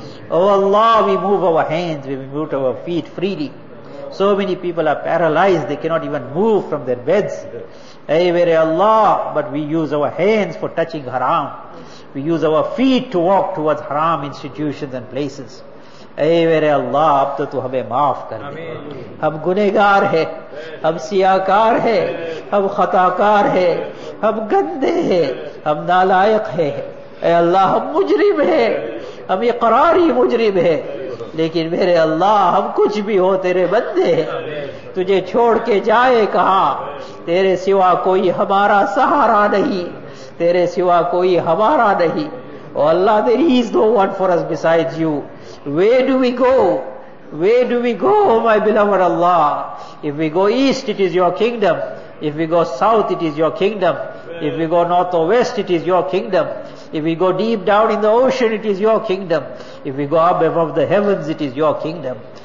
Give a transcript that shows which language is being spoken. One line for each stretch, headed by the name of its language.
English: Oh Allah, we move our hands, we move our feet freely. So many people are paralyzed, they cannot even move from their beds. Ay, very Allah, but we use our hands for touching haram. We use our feet to walk towards haram institutions and places.
Urdu: اے میرے اللہ اب تو ہمیں معاف کر دے. ہم گنہگار ہیں, ہم سیاہکار ہیں, ہم خطاکار ہیں, ہم گندے ہیں, ہم نالائق ہیں. اے اللہ ہم مجرم ہیں, ہم اقراری مجرم ہیں, لیکن میرے اللہ ہم کچھ بھی ہو تیرے بندے ہیں. تجھے چھوڑ کے جائے کہاں, تیرے سوا کوئی ہمارا سہارا نہیں, تیرے سوا کوئی ہمارا نہیں.
English: Oh Allah, there is no one for us besides you. Where do we go? Where do we go, my beloved Allah? If we go east, it is your kingdom. If we go south, it is your kingdom. If we go north or west, it is your kingdom. If we go deep down in the ocean, it is your kingdom. If we go up above the heavens, it is your kingdom.